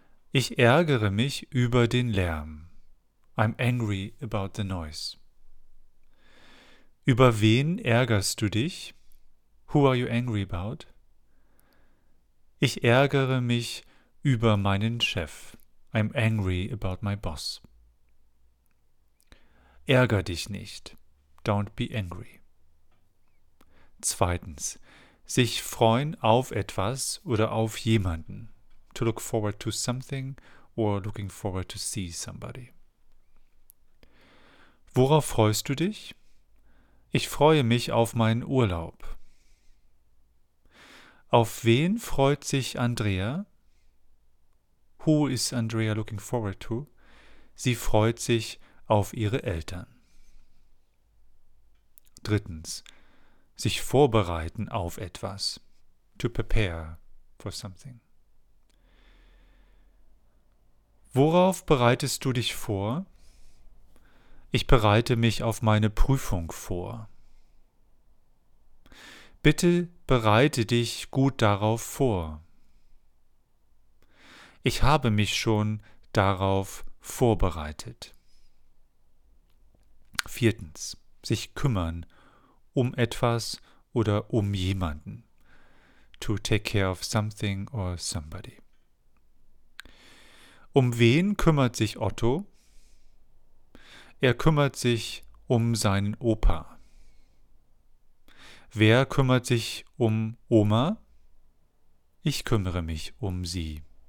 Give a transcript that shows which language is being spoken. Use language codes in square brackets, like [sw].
[de] Ich ärgere mich über den Lärm. [en] I'm angry about the noise. [de] Über wen ärgerst du dich? [en] Who are you angry about? [de] Ich ärgere mich über meinen Chef. [en] I'm angry about my boss. [de] Ärger dich nicht. [en] Don't be angry. [de] Zweitens, sich freuen auf etwas oder auf jemanden. [en] To look forward to something or looking forward to see somebody. [de] Worauf freust du dich? Ich freue mich auf meinen Urlaub. Auf wen freut sich Andrea? [en] Who is Andrea looking forward to? [de] Sie freut sich auf ihre Eltern. Drittens, sich vorbereiten auf etwas. [en] To prepare for something. [de] Worauf bereitest du dich vor? Ich bereite mich auf meine Prüfung vor. Bitte bereite dich gut darauf vor. Ich habe mich schon darauf vorbereitet. Viertens, sich kümmern um etwas oder um jemanden. [en] To take care of something or somebody. [de] Um wen kümmert sich Otto? Er kümmert sich um seinen Opa. Wer kümmert sich um Oma? Ich kümmere mich um sie.